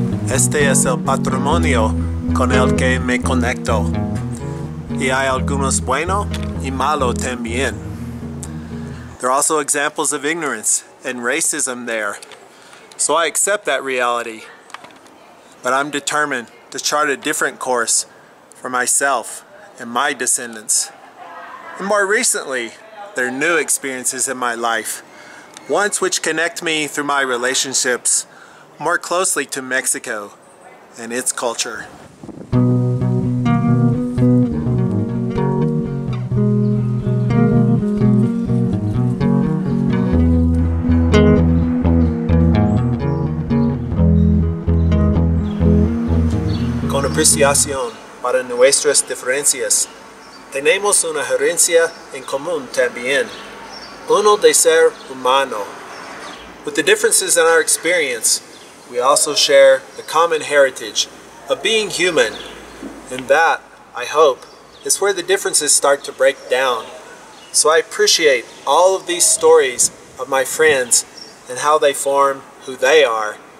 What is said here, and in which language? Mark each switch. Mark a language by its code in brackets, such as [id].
[es] Este es el patrimonio con el que me conecto. Y hay algunos bueno y malo también. [en] There are also examples of ignorance and racism there. So I accept that reality. But I'm determined to chart a different course for myself and my descendants. And more recently, there are new experiences in my life, ones which connect me through my relationships more closely to Mexico and its culture. [es] Con apreciación para nuestras diferencias, tenemos una herencia en común también, uno de ser humano. [en] With the differences in our experience, we also share the common heritage of being human. And that, I hope, is where the differences start to break down. So I appreciate all of these stories of my friends and how they form who they are.